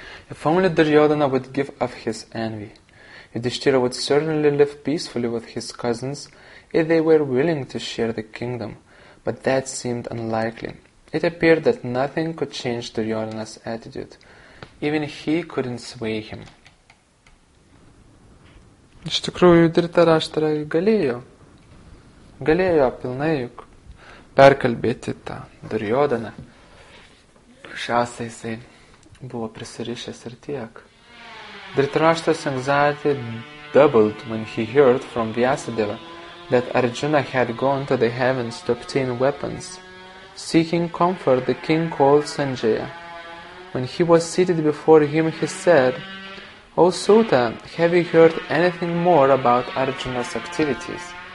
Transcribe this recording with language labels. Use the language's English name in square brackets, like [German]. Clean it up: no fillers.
[English] If only Duryodhana would give up his envy, Yudhishthira would certainly live peacefully with his cousins if they were willing to share the kingdom, but that seemed unlikely. It appeared that nothing could change Duryodhana's attitude. Even he couldn't sway him. [Lithuanian] Iš tikrųjų, Dhritarashtra galėjo pilnai juk perkalbėti tą Duryodhana. Šiausiai jisai buvo prisirišęs ir tiek. [English] Dhritarashtra's anxiety doubled when he heard from Vyasadeva that Arjuna had gone to the heavens to obtain weapons. Seeking comfort, the king called Sanjaya. When he was seated before him, he said, O Suta, have you heard anything more about Arjuna's activities?